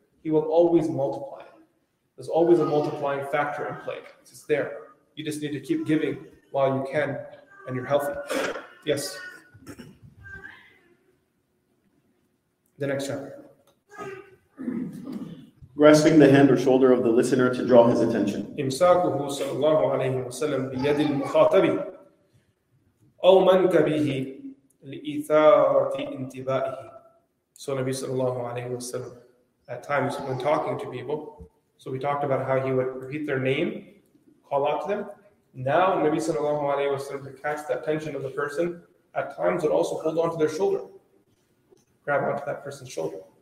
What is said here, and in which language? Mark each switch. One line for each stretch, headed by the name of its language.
English: He will always multiply. There's always a multiplying factor in play. It's just there. You just need to keep giving while you can and you're healthy. Yes. The next chapter. Grasping the hand or shoulder of the listener to draw his attention.
Arabic: إمساكه صلى الله عليه وسلم بيد المخاطب أو منك به لإثارة انتباهه.
English: So Nabi صلى الله عليه وسلم, at times when talking to people, so we talked about how he would repeat their name, call out to them. Now Nabi صلى الله عليه وسلم, to catch the attention of the person, at times would also hold onto their shoulder, grab onto that person's shoulder.